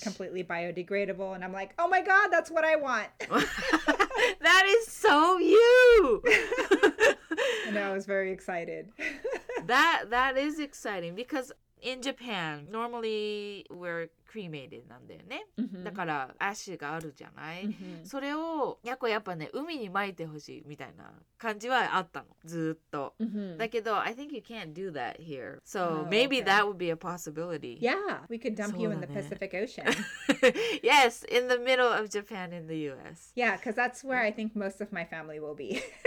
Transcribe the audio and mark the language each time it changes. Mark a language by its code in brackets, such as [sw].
[en] completely biodegradable, and I'm like, oh my god, that's what I want! That is so you! And And I was very excited. That is exciting because in Japan, normally we're cremated [ja] なんだよね。 [en] Mm-hmm. [ja] だから足があるじゃない。 [en] Mm-hmm. [ja] それをやっぱね、海に巻いてほしいみたいな感じはあったの。ずっと。Mm-hmm. だけど、 [en] I think you can't do that here. So maybe okay. that would be a possibility. Yeah, we could dump you in the Pacific Ocean. Yes, in the middle of Japan in the US. Yeah, because that's where I think most of my family will be.